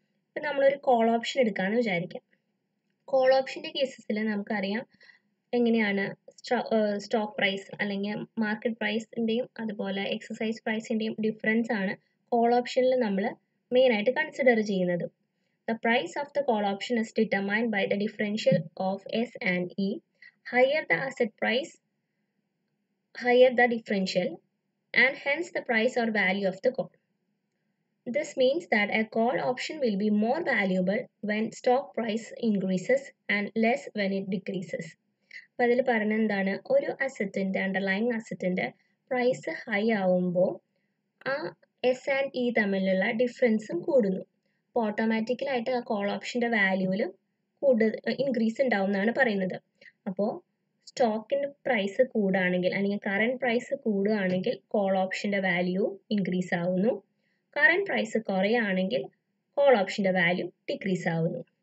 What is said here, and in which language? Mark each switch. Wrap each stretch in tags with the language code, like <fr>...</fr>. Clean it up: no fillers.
<ml>ഇപ്പം നമ്മളൊരു call option എടുക്കാമെന്ന് വിചാരിക്കാം. കോൾ ഓപ്ഷൻ്റെ കേസസിൽ നമുക്കറിയാം എങ്ങനെയാണ് സ്റ്റോക്ക് പ്രൈസ് അല്ലെങ്കിൽ മാർക്കറ്റ് പ്രൈസിൻ്റെയും അതുപോലെ എക്സസൈസ് പ്രൈസിൻ്റെയും ഡിഫറൻസ് ആണ് കോൾ ഓപ്ഷനിൽ നമ്മൾ മെയിനായിട്ട് കൺസിഡർ ചെയ്യുന്നത്.</ml> <en>The price of the call option is determined by the differential of S and E. Higher the asset price, higher the differential, and hence the price or value of the call. This means that a call option will be more valuable when stock price increases and less when it decreases.</en> <ml>അപ്പോൾ ഇതിൽ പറയുന്നത് എന്താണ്, ഒരു അസറ്റിൻ്റെ underlying അസറ്റിൻ്റെ price high ആവുമ്പോൾ ആ S and E തമ്മിലുള്ള ഡിഫറൻസും കൂടുന്നു. അപ്പോൾ ഓട്ടോമാറ്റിക്കലായിട്ട് ആ കോൾ ഓപ്ഷൻ്റെ വാല്യൂവിൽ കൂടുതൽ ഇൻക്രീസ് ഉണ്ടാവും എന്നാണ് പറയുന്നത്. അപ്പോൾ സ്റ്റോക്കിൻ്റെ പ്രൈസ് കൂടുകയാണെങ്കിൽ അല്ലെങ്കിൽ current price കൂടുകയാണെങ്കിൽ call ഓപ്ഷൻ്റെ value increase ആവുന്നു, കറൻറ്റ് പ്രൈസ് കുറയുകയാണെങ്കിൽ കോൾ ഓപ്ഷൻ്റെ വാല്യൂ ഡിക്രീസ് ആവുന്നു.</ml>